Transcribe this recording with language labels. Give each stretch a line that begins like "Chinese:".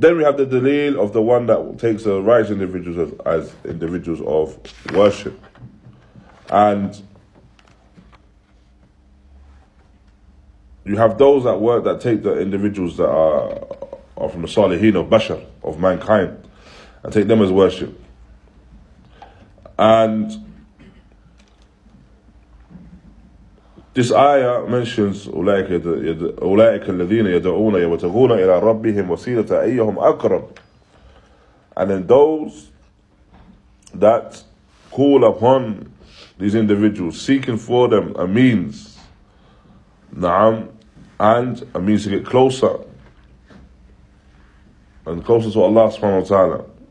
English: Then we have the Dalil of the one that takes the righteous individuals as individuals of worship. And you have those that work that take the individuals that are from the Salihin of Bashar, of mankind, and take them as worship. And this ayah mentions
Arabic: أُولَٰئِكَ الَّذِينَ يَدْعُونَ يَبْتَغُونَ إِلَىٰ رَبِّهِمْ وَسِيلَةَ أَيَّهُمْ أَقْرَبُ.
English: And then those that call upon these individuals, seeking for them a means, na'am, and a means to get closer, and closer to Allah subhanahu wa ta'ala.